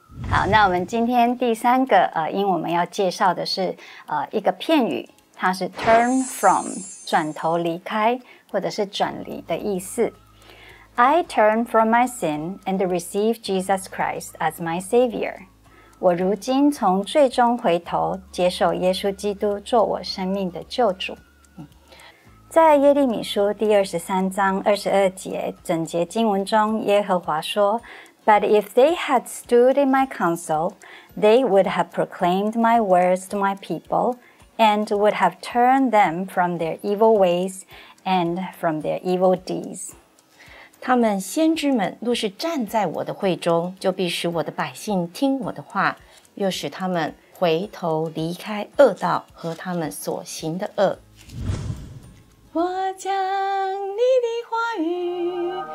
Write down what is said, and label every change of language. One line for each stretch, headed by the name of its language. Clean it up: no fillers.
Chinese: 好，那我们今天第三个因为我们要介绍的是一个片语，它是 turn from， 转头离开或者是转离的意思。
English: I turn from my sin and receive Jesus Christ as my Savior.
Chinese: 我如今从最终回头接受耶稣基督做我生命的救主。在耶利米书第23章22节整节经文中，耶和华说
English: But if they had stood in my counsel, they would have proclaimed my words to my people and would have turned them from their evil ways and from their evil deeds.
Chinese: 他们先知们若是站在我的会中，就必使我的百姓听我的话，又使他们回头离开恶道和他们所行的恶。我将你的话语